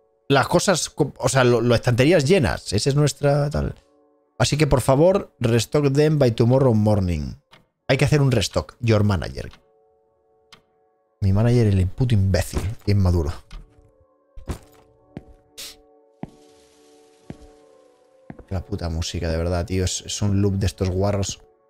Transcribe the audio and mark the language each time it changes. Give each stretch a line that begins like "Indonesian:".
Spanish: Las cosas, o sea, las estanterías llenas. Esa es nuestra tal. Así que, por favor,
English: restock them by tomorrow morning.
Spanish: Hay que hacer un restock.
English: Your manager.
Spanish: Mi manager, el puto imbécil. Inmaduro. La puta música, de verdad, tío. Es un loop de estos guarros.